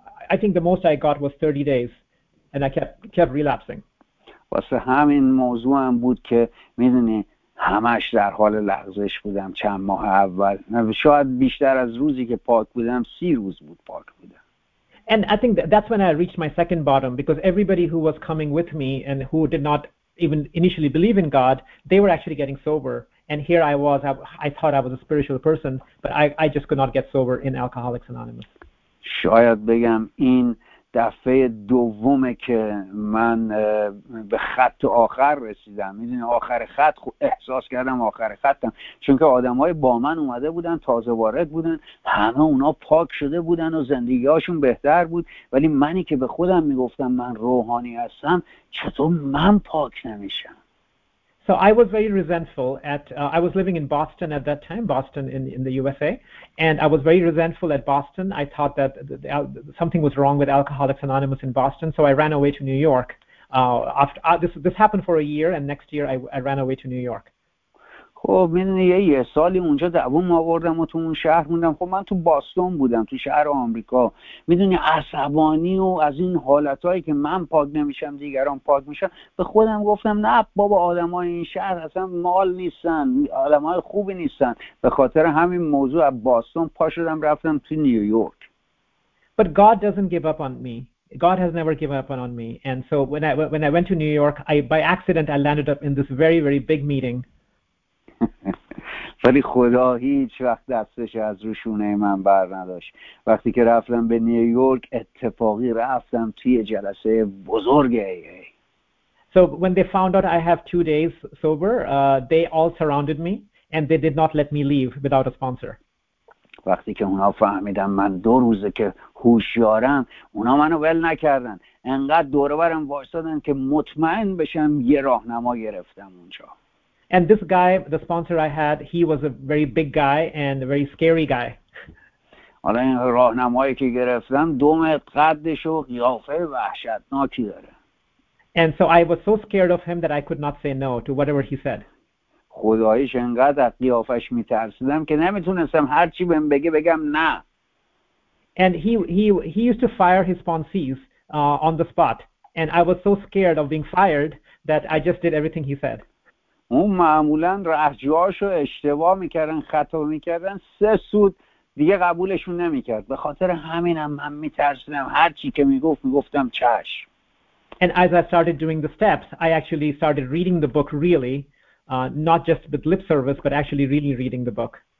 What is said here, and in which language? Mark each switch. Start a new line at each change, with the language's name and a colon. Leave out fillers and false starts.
English: I think the most I got was 30 days and I kept relapsing.
Persian: واسه همین موضوع هم بود که میدونی همش در حال لغزش بودم. چند ماه اول شاید بیشتر از روزی که پاک بودم 30 روز بود پاک بودم.
English: And I think that's when I reached my second bottom, because everybody who was coming with me and who did not even initially believe in God, they were actually getting sober, and here I was, I thought I was a spiritual person, but I just could not get sober in Alcoholics Anonymous.
Persian: شاید بگم این دفعه دومه که من به خط آخر رسیدم، میدونی آخر خط، احساس کردم آخر خطم، چون که آدم های با من اومده بودن، تازه وارد بودن، همه اونا پاک شده بودن و زندگی هاشون بهتر بود، ولی منی که به خودم میگفتم من روحانی هستم، چطور من پاک نمیشم؟
English: So I was very resentful at, I was living in Boston at that time, Boston in the USA, and I was very resentful at Boston. I thought that something was wrong with Alcoholics Anonymous in Boston, so I ran away to New York. After this happened for a year, and next year I ran away to New York.
Persian: خب من یه سالی اونجا دووم آوردم و تو اون شهر موندم. خب من تو باستون بودم، تو شهر آمریکا، میدونی عصبانی و از این حالتهایی که من پاک نمیشم دیگران پاک میشن، به خودم گفتم نه بابا، آدم های این شهر اصلا مال نیستن، آدم های خوبی نیستن. به خاطر همین موضوع از باستون پاشدم رفتم تو نیویورک.
English: But God doesn't give up on me. God has never given up on me. And so when I went to New York, by accident I landed up in this very very big meeting.
Persian: ولی خدا هیچ وقت دستش از رو شونه من بر نداشت. وقتی که رفتم به نیویورک، اتفاقی رفتم توی جلسه بزرگ AA.
English: So when they found out I have 2 days sober, they all surrounded me and they did not let me leave without a sponsor.
Persian: وقتی که اونا فهمیدن من 2 روزه که هوشیارم، اونا منو ول نکردن، انقدر دور و برم وایسادن که مطمئن بشم یه راهنما گرفتم اونجا.
English: And this guy, the sponsor I had, he was a very big guy and a very scary guy.
Persian: حالا این راهنمایی که گرفتم 2 متر قدش و قیافه وحشتناکی داره.
English: And so I was so scared of him that I could not say no to whatever he said.
Persian: خداییش انقدر از قیافش میترسیدم که نمیتونستم هر چی بهم بگه بگم نه.
English: And he used to fire his sponsees on the spot. And I was so scared of being fired that I just did everything he said.
Persian: اون معمولا رهجوهاشو اشتباه میکردن، خطا میکردن، 3 سود دیگه قبولشون نمیکرد. به خاطر همینم من میترسیدم هر چی که میگفت میگفتم چش.
English: And as I started doing the steps, I actually started reading the book really, not just with lip service, but actually really reading the book.